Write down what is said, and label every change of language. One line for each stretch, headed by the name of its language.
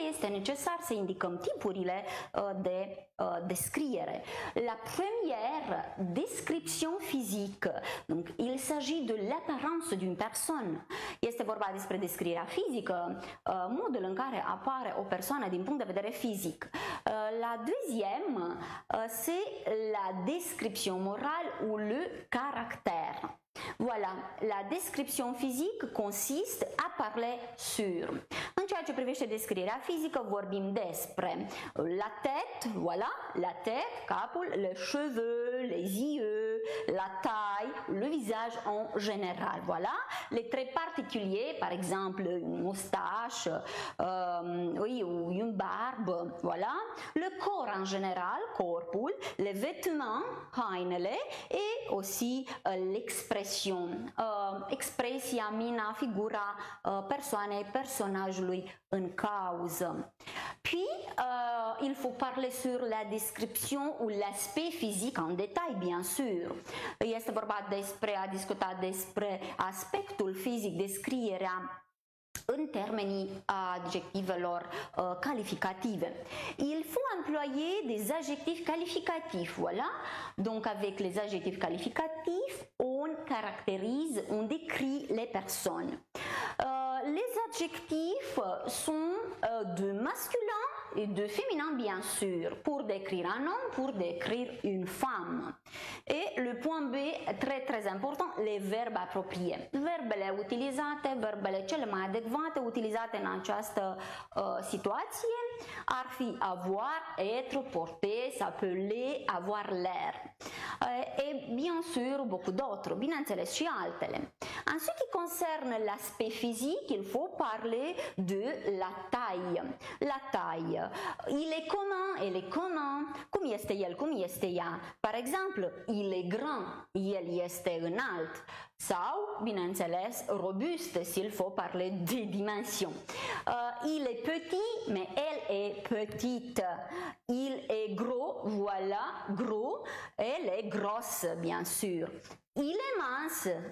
Romanian: care este necesar să indicăm tipurile de descriere.
French: La première description physique, donc il s'agit de l'apparence d'une personne.
Romanian: Este vorba despre descrierea fizică, modul în care apare o persoană din punct de vedere fizic.
French: La deuxième, c'est la description morale ou le caractère. Voilà, la description physique consiste à parler sur.
Romanian: În ceea ce privește descrierea fizică, vorbim despre
French: la tête, voilà, la tête,
Romanian: capul,
French: les cheveux, les yeux, la taille, le visage en général, voilà, les traits particuliers, par exemple, une moustache, oui, une barbe, voilà, le corps en général,
Romanian: corpul,
French: les vêtements,
Romanian: hainele,
French: et aussi l'expression,
Romanian: expresia, mina, figura persoanei, personajului în cauză.
French: Puis, il faut parler sur la description ou l'aspect physique en détail, bien sûr.
Romanian: Este vorba despre, a discuta despre aspectul fizic, descrierea în termenii adjectivelor calificative.
French: Il faut employer des adjectifs calificatifs, voilà. Donc, avec les adjectifs calificatifs, on caractérise, on décrit les personnes. Les adjectifs sont de masculin et de féminin, bien sûr, pour décrire un homme, pour décrire une femme. Et le point B, très très important, les verbes appropriés.
Romanian: Verbele utilizate, verbele cele mai adecvate utilizate în această situație ar fi
French: avoir, être, porter, s'appeler, avoir l'air. Et bien sûr, beaucoup d'autres,
Romanian: bineînțeles și altele.
French: En ce qui concerne l'aspect physique, il faut parler de la taille. La taille. Il est commun, elle est commun.
Romanian: Cum este el, cum este ea?
French: Par exemple, il est grand,
Romanian: el este înalt. Sau, bineînțeles,
French: robuste, s'il faut parler de dimension. Il est petit, mais elle est petite. Il est gros, voilà, gros. Elle est grosse, bien sûr. Il est mince.